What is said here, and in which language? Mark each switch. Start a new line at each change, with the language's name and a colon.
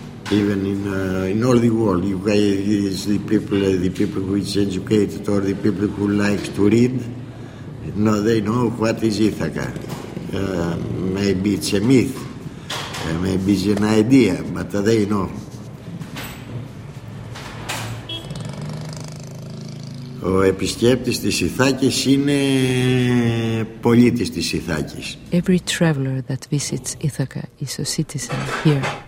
English: Even in all the world, you guys, the people who is educated or the people who likes to read, no, they know what is Ithaca. Maybe it's a myth, maybe it's an idea, but they know.
Greek: Ο επισκέπτης της Ιθάκης είναι πολίτης της Ιθάκης.
English: Every traveler that visits Ithaca is a citizen here.